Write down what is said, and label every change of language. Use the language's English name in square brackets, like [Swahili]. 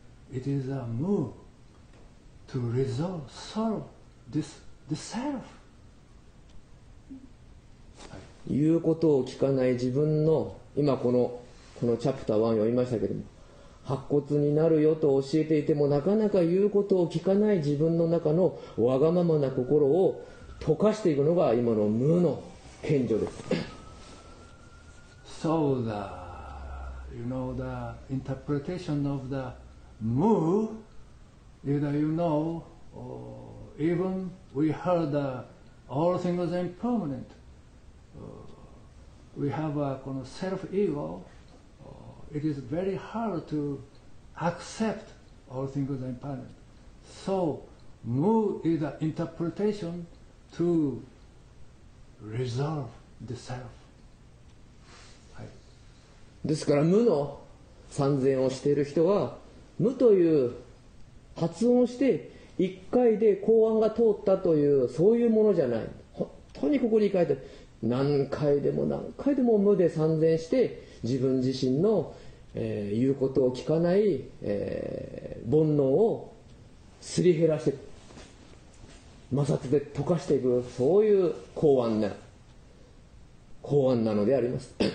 [English] It is a mu to resolve sorrow, this self. [Japanese] いうことを聞かない自分の今このチャプター1を読みましたけども、白骨になるよと教えていてもなかなか言うことを聞かない自分の中のわがままな心を溶かしていくのが今の mu の顕著です。 [English] So the, you know, the interpretation of the mu, either you know, or even we heard that all things are impermanent. We have a kind of self-ego. It is very hard to accept all things are impermanent. So mu is the interpretation to resolve the self. [Japanese] ですから無の参禅をしている人は無という発音をして一回で公案が通ったというそういうものじゃない。本当にここに書いてある、何回でも何回でも無で参禅して自分自身の、言うことを聞かない、煩悩をすり減らして摩擦で溶かしていく、そういう公案なのであります。